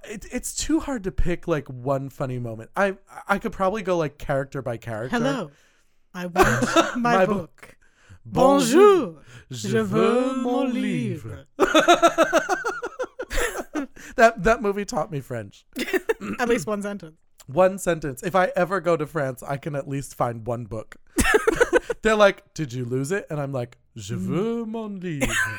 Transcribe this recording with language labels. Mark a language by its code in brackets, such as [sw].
[en] It's too hard to pick like one funny moment. I could probably go like character by character. Hello, I want my book. [fr] Bonjour, je veux mon livre. [en] That movie taught me French. At least one sentence. One sentence. If I ever go to France, I can at least find one book. They're like, did you lose it? And I'm like, [fr] je veux mon livre.